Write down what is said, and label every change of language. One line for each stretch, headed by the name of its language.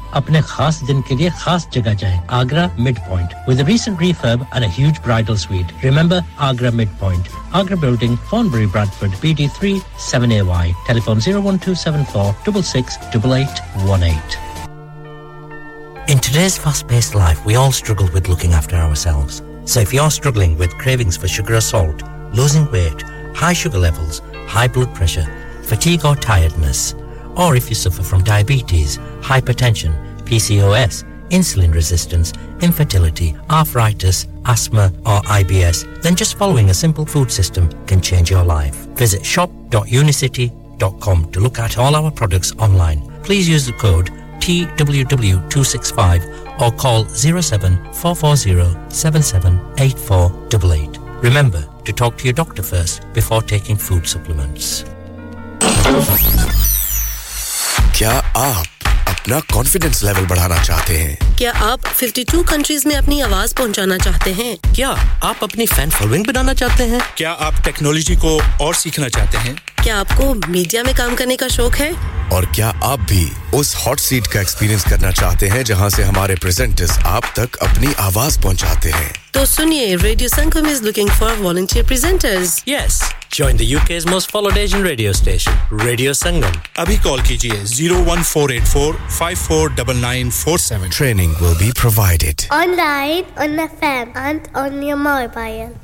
Hindi: अपने खास दिन के लिए खास जगह जाएं
English: Agra midpoint with a recent refurb and a huge bridal suite remember Agra midpoint Agra building Fawnbury Bradford BD3 7AY telephone 01274668818 In today's fast-paced life we all struggle with looking after ourselves so if you're struggling with cravings for sugar or salt losing weight high sugar levels high blood pressure fatigue or tiredness Or if you suffer from diabetes, hypertension, PCOS, insulin resistance, infertility, arthritis, asthma or IBS, then just following a simple food system can change your life. Visit shop.unicity.com to look at all our products online. Please use the code TWW265 or call 07440778488. Remember to talk to your doctor first before taking food supplements.
Hindi: क्या आप अपना confidence level बढ़ाना चाहते हैं क्या आप 52 countries में अपनी आवाज पहुंचाना चाहते हैं क्या आप अपनी फैन फॉलोइंग बनाना चाहते हैं क्या आप टेक्नोलॉजी को और सीखना चाहते हैं क्या आपको मीडिया में काम करने का शौक है और क्या आप भी उस हॉट सीट का एक्सपीरियंस करना चाहते हैं जहां से हमारे प्रेजेंटर्स आप तक अपनी आवाज पहुंचाते हैं तो सुनिए
English: Radio Sangam is looking for volunteer presenters yes Join the UK's most followed Asian radio station, Radio Sangam.
Hindi: Abhi call kijiye 01484-549947.
English: Training will be provided. Online, on the FM and on your mobile.